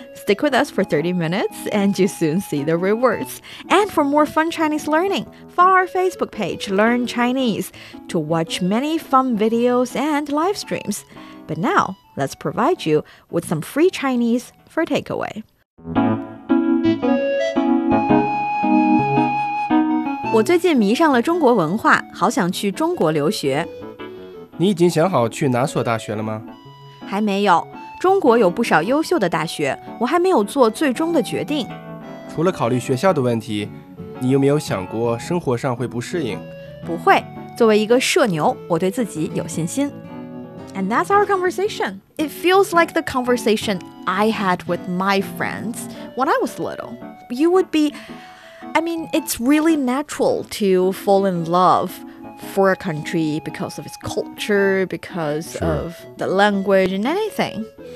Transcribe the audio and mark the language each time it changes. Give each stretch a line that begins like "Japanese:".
English: Stick with us for 30 minutes and you soon see the rewards. And for more fun Chinese learning, follow our Facebook page, Learn Chinese, to watch many fun videos and live streams. But now, let's provide you with some free Chinese for takeaway.
Chinese: 我最近迷上了中国文化，好想去中国留学。你已经想好去哪所大学了吗？还没有，中国有不少优秀的大学，我还没有做最终的决定。除了考虑学校的问题，你有没有想过生活上会不适应？不会，作为一个社牛，我对自己有信心。
English: And that's our conversation. It feels like the conversation I had with my friends when I was little. You would be, I mean, it's really natural to fall in love for a country because of its culture, because sure. of the language and anything.